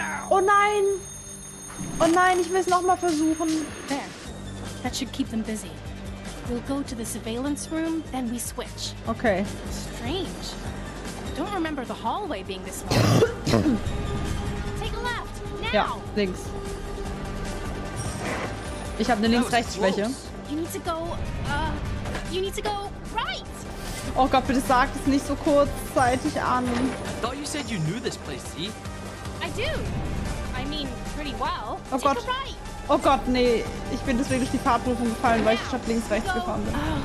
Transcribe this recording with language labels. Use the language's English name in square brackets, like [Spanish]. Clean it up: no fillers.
[German] Oh nein! Oh nein, ich will es nochmal versuchen. [English] That should keep them busy. We'll go to the surveillance room, then we switch. Okay. Strange. I don't remember the hallway being this small. Take a left, now! [German] Ja, links. Ich habe eine Links-Rechts-Schwäche. [English] You need to go right! [German] Oh Gott, bitte sag es nicht so kurzzeitig an. [English] I thought you said you knew this place, see? I do. I mean, pretty well. [German] Oh Gott. Oh Gott, nee. Ich bin deswegen durch die Fahrtprüfung gefallen, weil ich statt links rechts gefahren bin.